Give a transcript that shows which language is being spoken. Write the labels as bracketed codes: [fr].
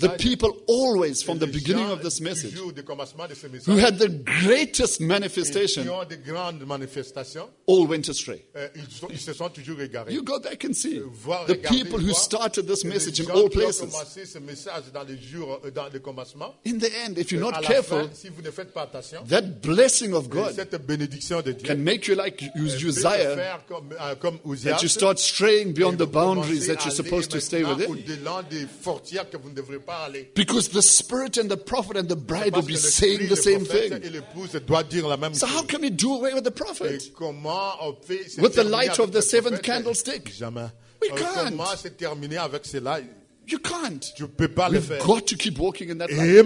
[en] the people always, from the beginning of this message, [fr] toujours, de commencement de ce message, [en] who had the greatest manifestation, [fr] qui ont de grandes manifestations, [en] all went astray. [fr] Ils se sont toujours égarés. [en] You go back and see [fr] voir, [en] the people who started this message in all places. [fr] Ce message dans les jours, dans les commencements. [en] In the end, if you're not careful, [fr] fin, si vous ne faites pas attention, [en] that blessing of God [fr] cette bénédiction de Dieu [en] can make you like Uzziah, [fr] comme Uzziah, [en] that you start straying beyond the boundaries that you're supposed to stay within. [fr] Au-delà des frontières que vous ne devrez pas aller. [en] Because the spirit and the prophet and the bride will be saying the same thing. [fr] Et l'épouse doit dire la même [en] so [fr] chose. [en] How can we do away with the prophet? [fr] Et comment on fait [en] with the light of the seventh candlestick. [fr] Jamais. [en] We can't. [fr] C'est terminé avec cela. [en] You can't. [fr] Tu peux pas [en] We've [fr] le faire. [en] Got to keep walking in that light.